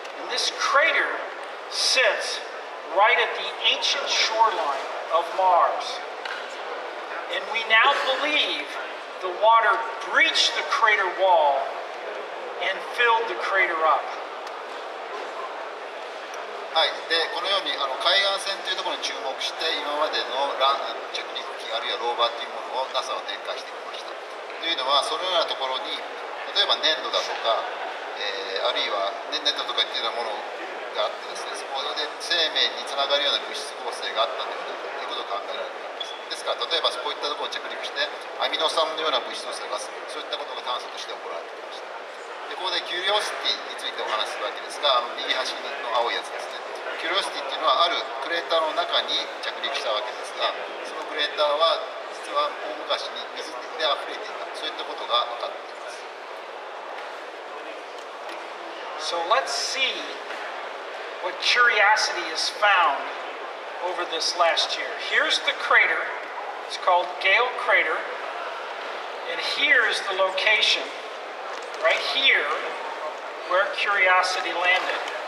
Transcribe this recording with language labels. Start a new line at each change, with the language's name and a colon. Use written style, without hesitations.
English: This crater sits right at the ancient shoreline of Mars. And we now believe the water breached the crater wall and filled the crater up.
Japanese: はい、でこのように海岸線というところに注目して今までのランの着陸機あるいはローバーというものを NASA は展開してきました。というのはそのようなところに例えば粘土だとかあるいは粘土とかっていうようなものがあってですね、そこで生命につながるような物質構成があったというふうなことを考えられています。ですから、例えばこういったところを着陸して、アミノ酸のような物質を探す、そういったことが探索として行われてきました。で、ここでキュリオシティについてお話しするわけですが、右端の青いやつですね。キュリオシティっていうのはあるクレーターの中に着陸したわけですが、そのクレーターは実は大昔に水で溢れていた、そういったことが分かっています。
English: So let's see what Curiosity has found over this last year. Here's the crater. It's called Gale Crater. And here is the location, right here, where Curiosity landed.